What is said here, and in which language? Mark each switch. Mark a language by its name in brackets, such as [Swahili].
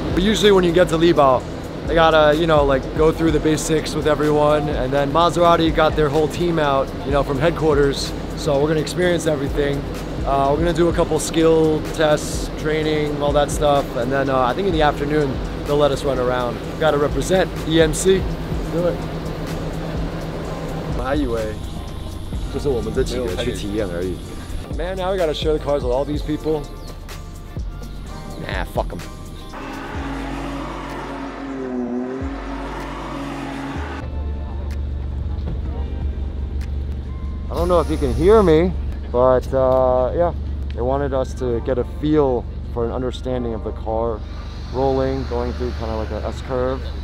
[English] But usually when you get to Libau, they gotta, you know, like go through the basics with everyone. And then Maserati got their whole team out, you know, from headquarters. So we're gonna experience everything. We're gonna do a couple skill tests, training, all that stuff. And then I think in the afternoon, they'll let us run around. We gotta represent EMC. Let's do it. [Chinese] 我还以为这是我们的几个去体验而已。 [English] Man, now we gotta share the cars with all these people. Nah, fuck them. I don't know if you can hear me, but yeah, they wanted us to get a feel for an understanding of the car rolling, going through kind of like an S-curve.